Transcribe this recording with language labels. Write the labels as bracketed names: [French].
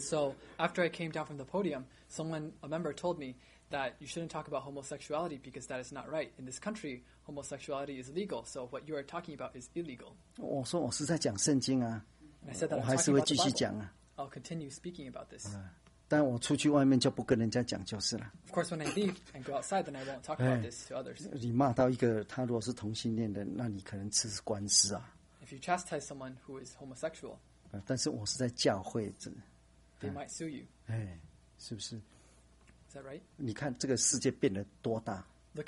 [English] so after I came down from the podium, someone a member told me that you shouldn't talk about homosexuality because that is not right in this country. Homosexuality is legal, so what you are talking about is illegal. [Chinese] 我说我是在讲圣经啊， [English] I said that [Chinese] 我还是会继续讲啊。 [English] I'll continue speaking about this. [Chinese] 但我出去外面就不跟人家讲就是了。 [English] Of course, when I leave and go outside, then I won't talk about this to others. [Chinese] 你骂到一个他如果是同性恋的，那你可能吃官司啊。 [English] If you chastise someone who is homosexual, [Chinese] 但是我是在教会， [English] they might sue you. [Chinese] 哎，是不是？ [English] Is that right? [Chinese] 你看这个世界变得多大。 [English] Look